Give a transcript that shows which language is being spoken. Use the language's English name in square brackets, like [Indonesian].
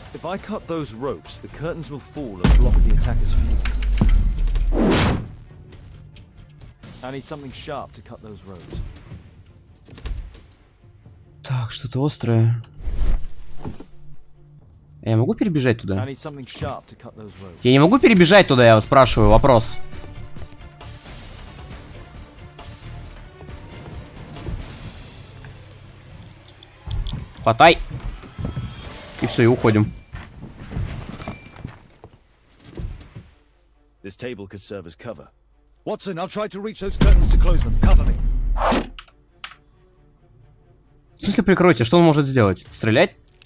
[English] I cut those ropes, the curtains will fall and block the attacker's view. I need something sharp to cut those ropes. [Russian] Так, что-то острое. Я могу перебежать туда? [English] I need something sharp to cut those ropes. [Russian] Я не могу перебежать туда, я вас спрашиваю, вопрос. Хватай. И все, и уходим. [English] This table could serve as cover. Watson, I'll try to reach those curtains to close them. Cover me. [Russian] В смысле, прикройте, что он может сделать? Стрелять?